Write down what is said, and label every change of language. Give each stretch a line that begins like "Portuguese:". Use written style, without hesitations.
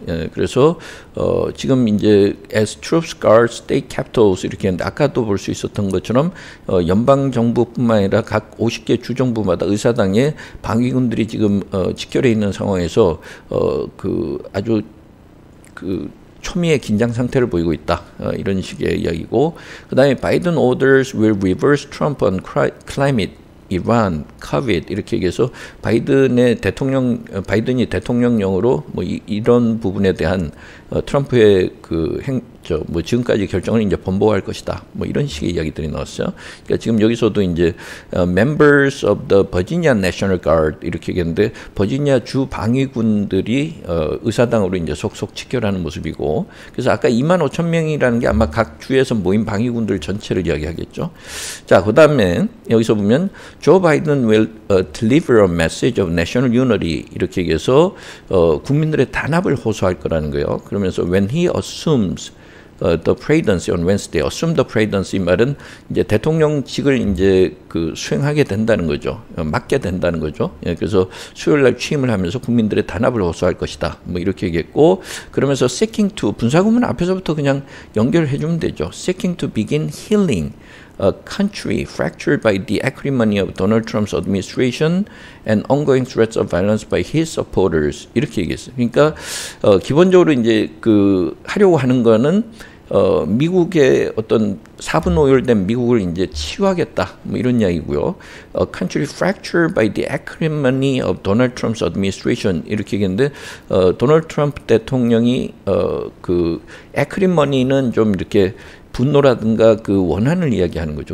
Korean: 예, 그래서 지금 이제
English: as troops guard state capitals
Korean: 이렇게 했는데 아까도 볼 수 있었던 것처럼 연방 정부뿐만 아니라 각 50개 주 정부마다 의사당에 방위군들이 지금 직결해 있는 상황에서 그 아주 그 초미의 긴장 상태를 보이고 있다. 이런 식의 이야기고 그다음에
English: 바이든 orders will reverse Trump on climate.
Korean: 이란, 코비드 이렇게 얘기해서 바이든이 대통령령으로 뭐 이런 부분에 대한 트럼프의 그 뭐 지금까지 결정을 이제 번복할 것이다. 뭐 이런 식의 이야기들이 나왔어요. 그러니까 지금 여기서도 이제
English: members of the Virginia National Guard
Korean: 이렇게 얘기했는데 버지니아 주 방위군들이 의사당으로 이제 속속 직결하는 모습이고 그래서 아까 2만 5천 명이라는 게 아마 각 주에서 모인 방위군들 전체를 이야기하겠죠. 자, 그다음에 여기서 보면 조 바이든
English: will deliver a message of national unity
Korean: 이렇게 얘기해서 국민들의 단합을 호소할 거라는 거예요. 그러면서
English: when he assumes the presidency on Wednesday, assume the presidency
Korean: 말은 이제 대통령직을 이제 그 수행하게 된다는 거죠. 맡게 된다는 거죠. 예, 그래서 수요일 날 취임을 하면서 국민들의 단합을 호소할 것이다. 뭐 이렇게 얘기했고 그러면서
English: seeking to
Korean: 분사구문 앞에서부터 그냥 연결을 해 주면 되죠.
English: seeking to begin healing a country fractured by the acrimony of Donald Trump's administration and ongoing threats of violence by his supporters
Korean: 이렇게 얘기했어요. 그러니까 기본적으로 이제 그 하려고 하는 거는 미국의 어떤 사분오열된 미국을 이제 치유하겠다 뭐 이런 이야기고요.
English: A country fractured by the acrimony of Donald Trump's administration
Korean: 이렇게 얘기했는데 도널드 트럼프 대통령이 그 acrimony는 좀 이렇게 분노라든가 그 원한을 이야기하는 거죠.